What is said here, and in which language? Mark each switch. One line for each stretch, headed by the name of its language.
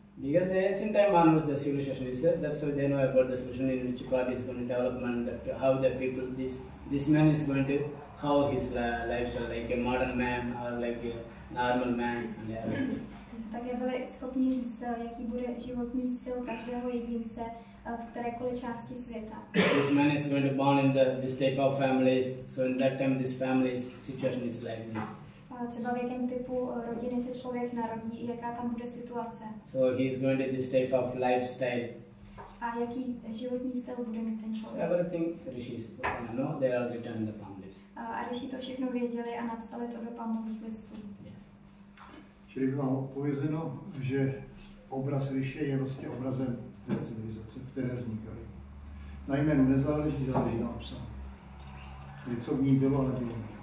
English: Because the ancient time manners the civilization is there, that's why they know about the solution in which part is going to development, how the people, this man is going to, how his lifestyle, like a modern man or like a normal man and everything.
Czech: Také byli schopni říct, jaký bude životní styl každého jedince v kterékoliv části světa.
English: This man is going to born in this type of families, so in that time this family's situation is like this.
Czech: Třeba v jakém typu rodiny se člověk narodí, jaká tam bude situace.
English: So he is going to this type of lifestyle.
Czech: A jaký životní styl bude mít ten člověk?
English: Everything rishis know, they are written in the palm leaves.
Czech: A rishi to všechno věděli a napsali to do palmových listů. Čili by vám odpovězeno, že obraz rishi je vlastně obrazem té civilizace, které vznikaly. Na jménu nezáleží, záleží na obsahu. Co v ní bylo, nebylo.